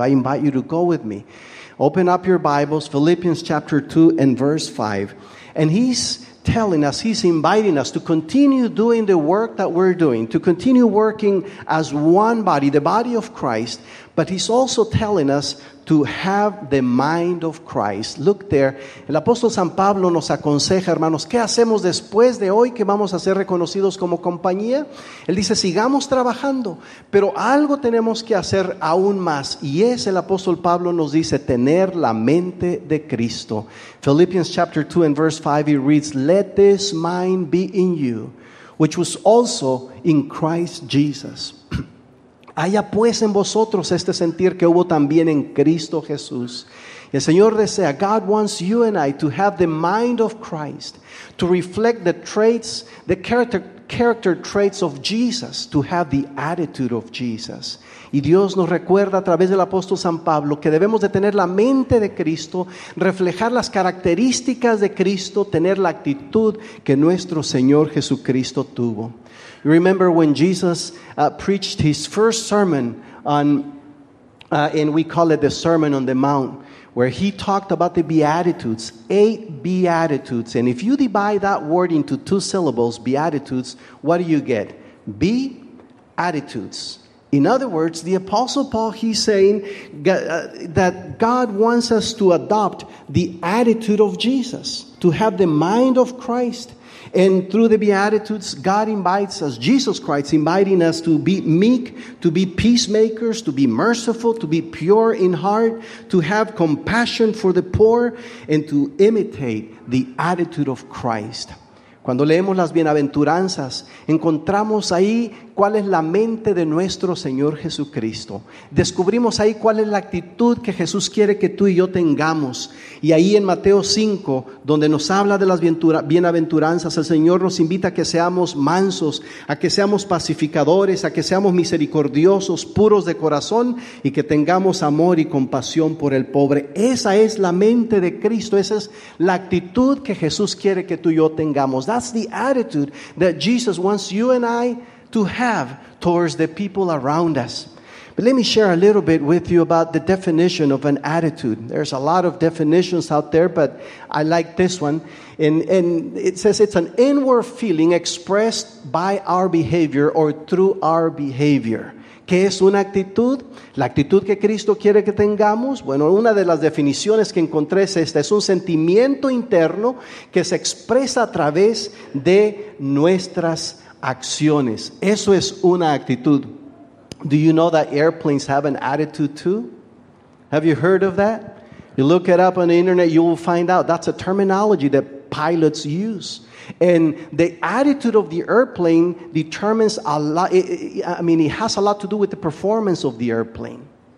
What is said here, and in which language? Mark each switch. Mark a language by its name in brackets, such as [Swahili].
[English] I invite you to go with me. Open up your Bibles, Philippians chapter 2 and verse 5. And he's telling us, he's inviting us to continue doing the work that we're doing, to continue working as one body, the body of Christ. But he's also telling us to have the mind of Christ. Look there. [Spanish] El apóstol San Pablo nos aconseja, hermanos, ¿qué hacemos después de hoy que vamos a ser reconocidos como compañía? Él dice, sigamos trabajando, pero algo tenemos que hacer aún más. Y es, el apóstol Pablo nos dice, tener la mente de Cristo. [English] Philippians chapter 2 and verse 5, it reads, let this mind be in you, which was also in Christ Jesus. [Spanish] Haya pues en vosotros este sentir que hubo también en Cristo Jesús. El Señor desea, [English] God wants you and I to have the mind of Christ, to reflect the traits, the character traits of Jesus, to have the attitude of Jesus. [Spanish] Y Dios nos recuerda a través del apóstol San Pablo que debemos de tener la mente de Cristo, reflejar las características de Cristo, tener la actitud que nuestro Señor Jesucristo tuvo. [English] You remember when Jesus preached his first sermon on, and we call it the Sermon on the Mount, where he talked about the Beatitudes, 8 Beatitudes. And if you divide that word into 2 syllables, Beatitudes, what do you get? Beatitudes. In other words, the Apostle Paul, he's saying that God wants us to adopt the attitude of Jesus, to have the mind of Christ. And through the Beatitudes, God invites us, Jesus Christ inviting us to be meek, to be peacemakers, to be merciful, to be pure in heart, to have compassion for the poor, and to imitate the attitude of Christ. [Spanish] Cuando leemos las bienaventuranzas, encontramos ahí cuál es la mente de nuestro Señor Jesucristo. Descubrimos ahí cuál es la actitud que Jesús quiere que tú y yo tengamos. Y ahí en Mateo 5, donde nos habla de las bienaventuranzas, el Señor nos invita a que seamos mansos, a que seamos pacificadores, a que seamos misericordiosos, puros de corazón y que tengamos amor y compasión por el pobre. Esa es la mente de Cristo. Esa es la actitud que Jesús quiere que tú y yo tengamos. [English] That's the attitude that Jesus wants you and I to have towards the people around us. But let me share a little bit with you about the definition of an attitude. There's a lot of definitions out there, but I like this one. And it says it's an inward feeling expressed by our behavior or through our behavior. [Spanish] ¿Qué es una actitud? La actitud que Cristo quiere que tengamos. Bueno, una de las definiciones que encontré es esta. Es un sentimiento interno que se expresa a través de nuestras acciones. Eso es una actitud. [English] Do you know that airplanes have an attitude too? Have you heard of that? You look it up on the internet, you will find out. That's a terminology that pilots use. And the attitude of the airplane determines a lot. It has a lot to do with the performance of the airplane.